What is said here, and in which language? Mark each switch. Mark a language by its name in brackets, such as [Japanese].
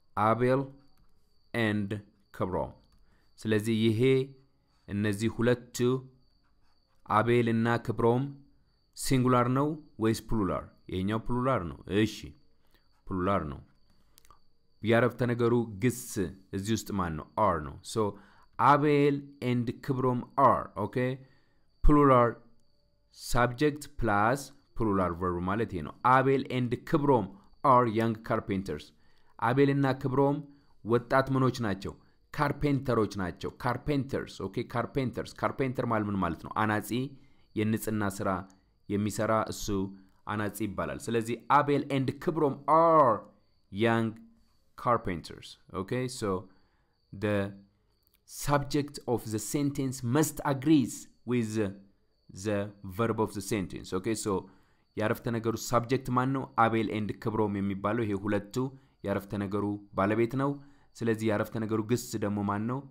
[Amharic] Abel and Kibrom ስለዚህ ይሄ እነዚህ ሁለቱ Abel እና Kibrom singular ነው ወይስ plural? ይሄኛው plural ነው። እሺ plural ነው። ያረፍተ ነገሩ ግስ እዚህ ውስጥ ማን ነው? [English] are ነው። so Abel and Kibrom are okay plural subject plus plural verb [Amharic] ማለት ይሄ ነው። [English] Abel and Kibrom are young carpenters [Amharic] Abel እና Kibrom ወጣት ምኖች ናቸው? ካርፔንተሮች ናቸው። [English] carpenters okay carpenters carpenter [Amharic] ማለት ነው አናጺ፣ የንጽህና ስራ የሚሰራ እሱ አናጺ ይባላል። ስለዚህ [English] Abel and Kibrom are young carpenters okay so the subject of the sentence must agrees with the verb of the sentence okay so [Amharic] ያረፍተ ነገሩ subject ማን ነው? Abel and Kibrom የሚባለው ይሄ ሁለቱ ያረፍተ ነገሩ ባለቤት ነው። ስለዚህ ያረፍተ ነገሩ ግስ ደግሞ ማን ነው?